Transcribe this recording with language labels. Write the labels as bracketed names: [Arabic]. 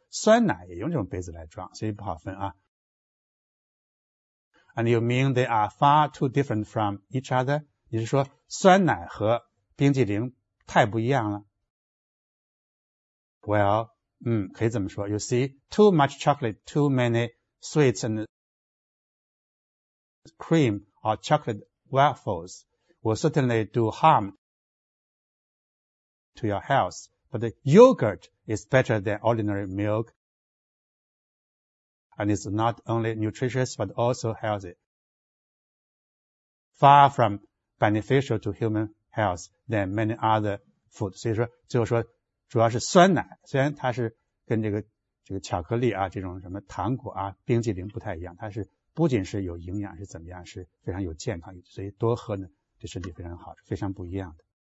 [Chinese] 酸奶也用这种杯子来装，所以不好分啊。 [English] And you mean they are far too different from each other? [Chinese] 你是说酸奶和冰激凌太不一样了？ [English] Well, [Chinese] 可以这么说。 [English] You see, too much chocolate, too many sweets and cream or chocolate waffles will certainly do harm to your health. But the yogurt is better than ordinary milk. And it's not only nutritious, but also healthy. Far from beneficial to human health than many other food. [Chinese] 所以说，最后说，主要是酸奶，虽然它是跟这个巧克力啊，这种什么糖果啊，冰激凌不太一样，它是不仅是有营养，是怎么样，是非常有健康，所以多喝呢，对身体非常好，是非常不一样的。